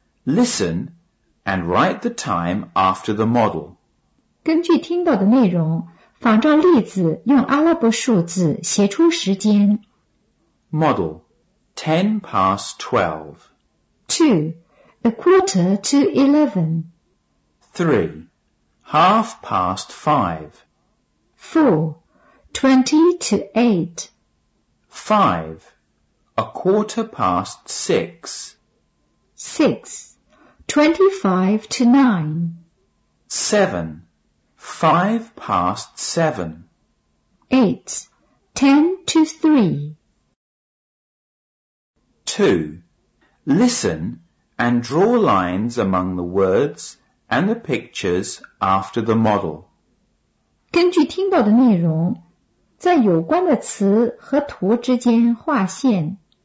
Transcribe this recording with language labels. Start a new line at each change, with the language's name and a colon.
English: Listen and write the time after the model.
Chinese: 根据听到的内容，仿照例子用阿拉伯数字写出时间。
English: Model, 10 past 12. 2. A quarter to 11. 3. Half past 5. 4. 20 to 8. 5. A quarter past 6. 6. 25 to 9. 7. 5 past 7. 8. 10 to 3. 2. Listen and draw lines among the words and the pictures after the model.
Chinese: 根据听到的内容，在有关的词和图之间画线。